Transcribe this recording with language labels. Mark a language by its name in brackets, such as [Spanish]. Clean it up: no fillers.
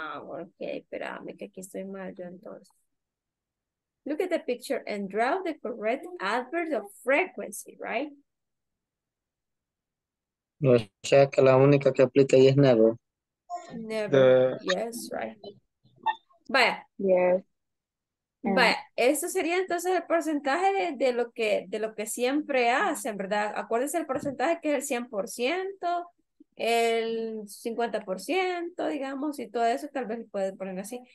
[Spanish] Okay, espérame que aquí estoy mal yo entonces. [English] Look at the picture and draw the correct adverb of frequency, right? [Spanish] O sea, que la única que aplica ahí es never. [English] Never, yes, right. Vaya. Yes. [Spanish] Vaya, eso sería entonces el porcentaje de lo que siempre hacen, ¿verdad? Acuérdense el porcentaje que es el 100%, el 50%, digamos, y todo eso, tal vez pueden poner así.